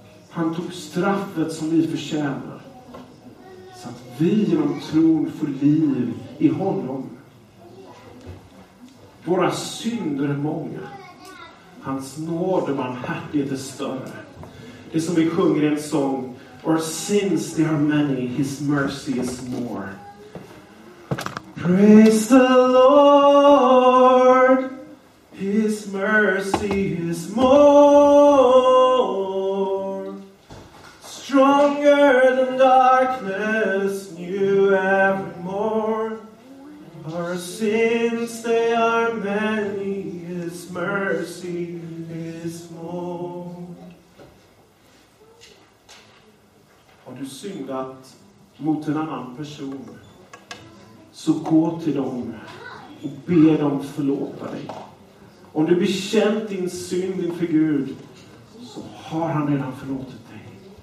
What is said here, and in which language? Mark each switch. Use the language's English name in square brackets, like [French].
[Swedish] Han tog straffet som vi förtjänar, så att vi genom tron får liv i honom. Våra synder är många. Hans nåd och barmhärtighet är större. Det som vi sjunger i en sång. [English] Our sins they are many, his mercy is more. Praise the Lord, his mercy is more. Stronger than darkness, new evermore. Our sins they are many, his mercy is more. [Swedish] Har du syndat mot en annan person, så gå till dem och be dem förlåta dig. Om du bekänt din synd inför Gud, så har han redan förlåtit dig.